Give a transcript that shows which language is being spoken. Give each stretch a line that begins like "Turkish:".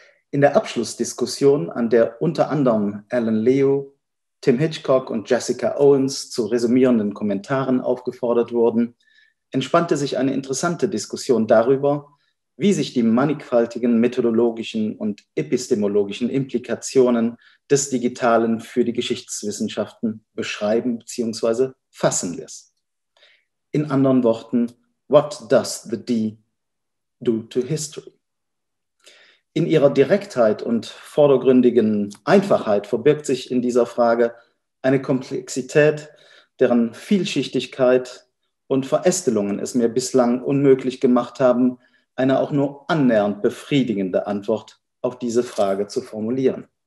German: In der Abschlussdiskussion, an der unter anderem Alan Liu, Tim Hitchcock und Jessica Owens zu resümierenden Kommentaren aufgefordert wurden, entspannte sich eine interessante Diskussion darüber, wie sich die mannigfaltigen methodologischen und epistemologischen Implikationen des Digitalen für die Geschichtswissenschaften beschreiben bzw. fassen lässt. In anderen Worten,
English: what does the D do to history?
German: In ihrer Direktheit und vordergründigen Einfachheit verbirgt sich in dieser Frage eine Komplexität, deren Vielschichtigkeit und Verästelungen es mir bislang unmöglich gemacht haben, eine auch nur annähernd befriedigende Antwort auf diese Frage zu formulieren.